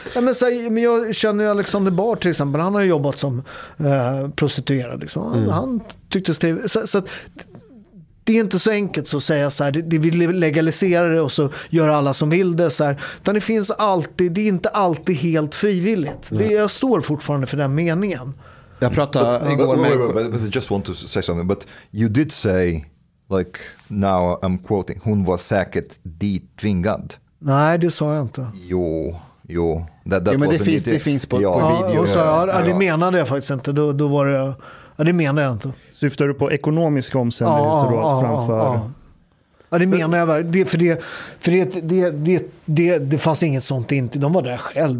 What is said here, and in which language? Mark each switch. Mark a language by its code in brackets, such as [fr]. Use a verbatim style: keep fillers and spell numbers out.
[sv] Ja, men så här, men jag känner ju Alexander Bard till exempel. Han har ju jobbat som eh, prostituerad. Liksom. Han, mm. han tyckte steg, så, så att det är inte så enkelt så att säga så här, det, det vill legalisera det och så gör alla som vill det så här. Utan det finns alltid, det är inte alltid helt frivilligt. Det, jag står fortfarande för den meningen. Jag pratade but, igår med... [en] But, but, but I just want to say something. But you did say, like, now I'm quoting, [sv] hon var säkert ditvingad. Nej, det sa jag inte. [en] Jo, jo. That, that [sv] jo men det finns, det finns på, ja. på video. Ja, så, ja, ja, det menade jag faktiskt inte. Då, då var det... Ja, det menade jag inte. Syftar du på ekonomiska omständigheter då ja, framför... Ja, ja. Ja, det menar jag väl. Det, för det, för det, det, det, det, det fanns inget sånt inte. De var där själv.